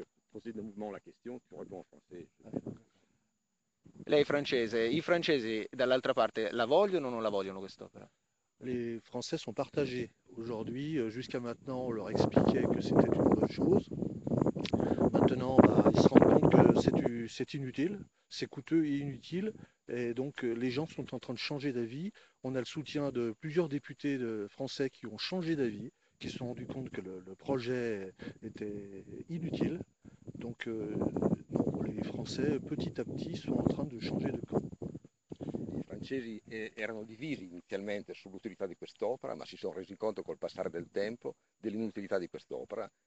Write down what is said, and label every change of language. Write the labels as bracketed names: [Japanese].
[French] Poser de mouvement la question, tu réponds en français. [Italian] Lei è francese, i francesi dall'altra parte la vogliono o non la vogliono quest'opera? [French] Les Français sont partagés. Aujourd'hui, jusqu'à maintenant, on leur expliquait que c'était une bonne chose. Maintenant, ils se rendent compte que c'est inutile, c'est coûteux et inutile, Et donc les gens sont en train de changer d'avis. On a le soutien de plusieurs députés français qui ont changé d'avis, qui se sont rendus compte que le projet était inutile. Donc non, les Français, petit à petit, sont en train de changer de camp. [Italian] I francesi erano divisi inizialmente sull'utilità di quest'opera, ma si sono resi conto col passare del tempo dell'inutilità di quest'opera.